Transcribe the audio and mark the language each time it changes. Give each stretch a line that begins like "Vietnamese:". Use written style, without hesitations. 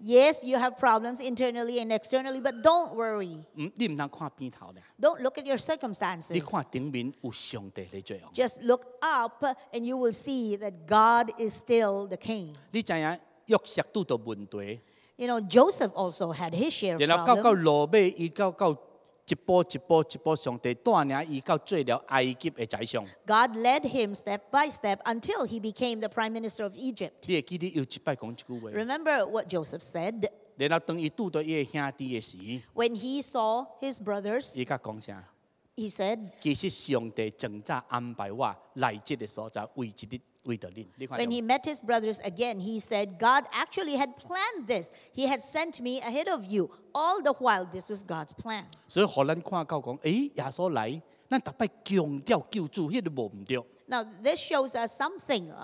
English: Yes, you have problems internally and externally, but don't worry.
Min Nan Chinese: 你唔通看边头咧。
English: Don't look at your circumstances.
Min Nan Chinese: 你看顶面有上帝来做王。
English: Just look up, and you will see that God is still the King.
Min Nan Chinese: 你知影？约瑟拄到问题，
English: you know, Joseph also had his share of problems.
Min Nan Chinese: 然后到落尾，伊到一步，上帝带领伊到做了埃及的宰相。
English: God led him step by step until he became the prime minister of Egypt.
Min Nan Chinese: 你会记得有一摆讲一句话。
English: Remember what Joseph said.
Min Nan Chinese: 然后当伊拄到伊的兄弟的时，
English: when he saw his brothers,
Min Nan Chinese: 伊甲讲啥？
English: He said,
Min Nan Chinese: 其实上帝正在安排我来这个所在为一日。
English: When he met his brothers again, he said, God actually had planned this. He had sent me ahead of you. All the while, this was God's plan. So, for us to see, hey, Jesus came. Now, this shows us something.